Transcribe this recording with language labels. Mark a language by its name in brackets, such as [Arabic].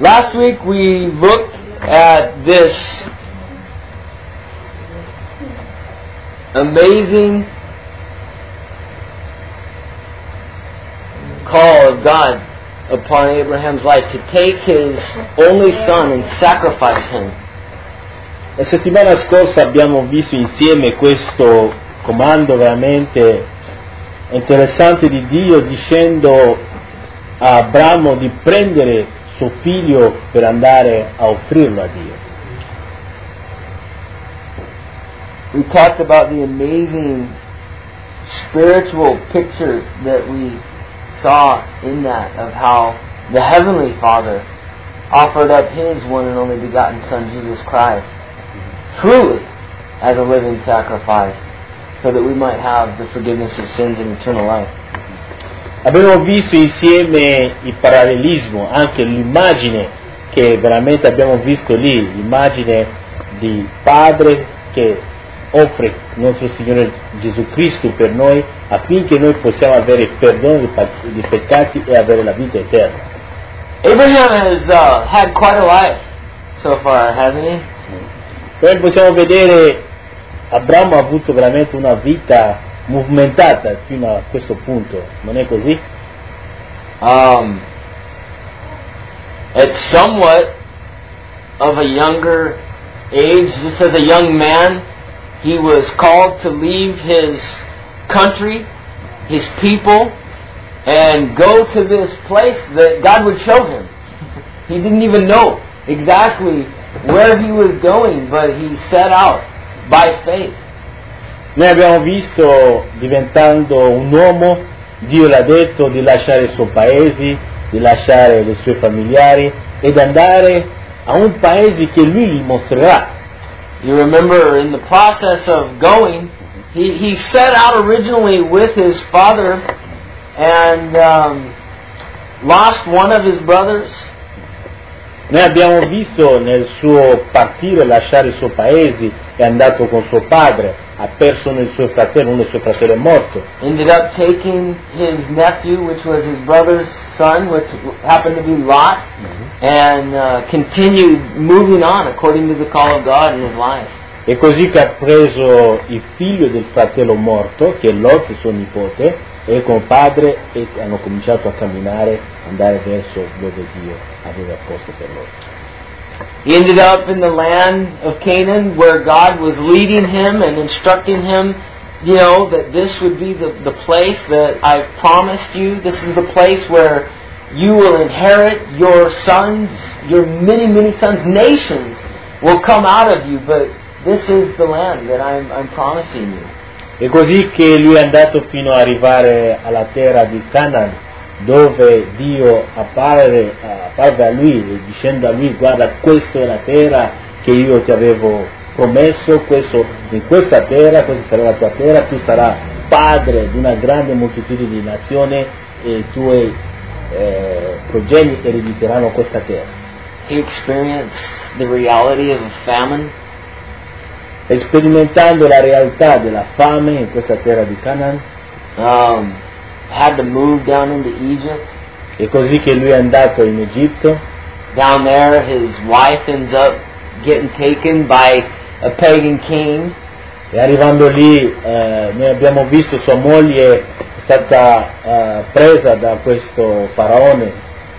[English] Last week we looked at this amazing call of God upon Abraham's life to take his only son and sacrifice him. [Italian] La settimana scorsa abbiamo visto insieme questo comando veramente interessante di Dio dicendo a Abramo di prendere suo figlio per andare a offrirlo a Dio. [English] We talked about the amazing spiritual picture that we saw in that of how the Heavenly Father offered up his one and only begotten Son, Jesus Christ, truly as a living sacrifice, so that we might have the forgiveness of sins and eternal life. [Italian] Abbiamo visto insieme il parallelismo, anche l'immagine che veramente abbiamo visto lì, l'immagine di Padre che offre nostro Signore Gesù Cristo per noi affinché noi possiamo avere perdono di peccati e avere la vita eterna. [English] Abraham has had quite a life so far, hasn't he? [Italian] Poi possiamo vedere Abramo ha avuto veramente una vita movimentata fino a questo punto, non è così? [English] It's somewhat of a younger age, just as a young man. He was called to leave his country, his people, and go to this place that God would show him. He didn't even know exactly where he was going, but he set out by faith. [Italian] Noi abbiamo visto, diventando un uomo, Dio l'ha detto di lasciare il suo paese, di lasciare le sue familiari, ed andare a un paese che lui gli mostrerà. [English] You remember in the process of going, he set out originally with his father and lost one of his brothers. [Italian] Noi abbiamo visto nel suo partire, lasciare il suo paese, è andato con suo padre, ha perso nel suo fratello, uno dei suoi fratelli è morto. [English] Ended up taking his nephew, which was his brother's son, which happened to be Lot, and continued moving on according to the call of God in his life. [Italian] E così che ha preso il figlio del fratello morto, che è Lot, suo nipote, e con padre, e hanno cominciato a camminare, andare verso dove Dio aveva posto per loro. [English] He ended up in the land of Canaan, where God was leading him and instructing him, you know, that this would be the place that I promised you. This is the place where you will inherit your sons, your many, many sons. Nations will come out of you, but this is the land that I'm promising you. [Italian] E così che lui è andato fino ad arrivare alla terra di Canaan, dove Dio apparve a lui dicendo a lui: guarda, questa è la terra che io ti avevo promesso, questo, in questa terra, questa sarà la tua terra, tu sarai padre di una grande moltitudine di nazioni e i tuoi progeni erediteranno questa terra. [English] He experienced the reality of a famine. [Italian] Sperimentando la realtà della fame in questa terra di Canaan, [English] had to move down into Egypt. [Italian] E così che lui è andato in Egitto. [English] Down there, his wife ends up getting taken by a pagan king. [Italian] E arrivando lì, noi abbiamo visto sua moglie è stata presa da questo faraone.